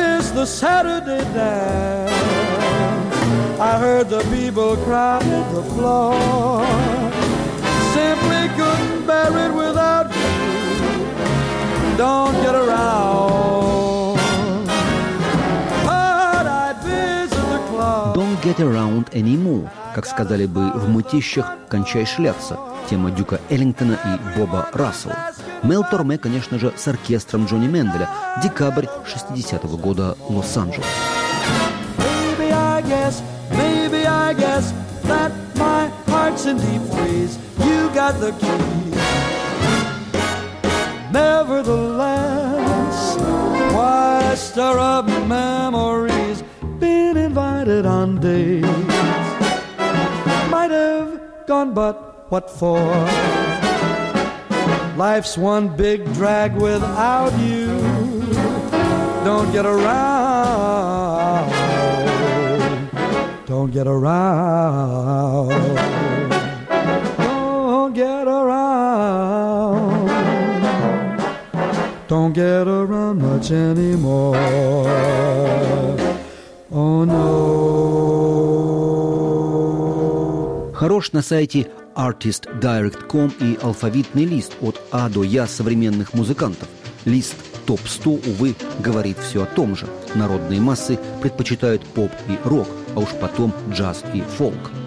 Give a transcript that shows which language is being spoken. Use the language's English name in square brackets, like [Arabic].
[English] The Saturday dance, I heard the people crowded the floor. Simply couldn't bear it without you. Don't get around. But I'd visit the club. Don't get around anymore. [Russian] Как сказали бы в «Мытищах», кончай шляться. Тема Дюка Эллингтона и Боба Рассела. Мел Торме, конечно же, с оркестром Джонни Менделя. Декабрь 60-го года, Лос-Анджелес. [English] Maybe I guess, maybe I guess that my heart's in deep freeze. You got the key. Nevertheless, why stir up memories? Been invited on dates. Might have gone, but what for? Life's one big drag without you. Don't get around. Don't get around. Don't get around. Don't get around much anymore. Oh no. [Russian] Хорош на сайте artistdirect.com и алфавитный лист от А до Я современных музыкантов. Лист топ-100, увы, говорит все о том же. Народные массы предпочитают поп и рок, а уж потом джаз и фолк.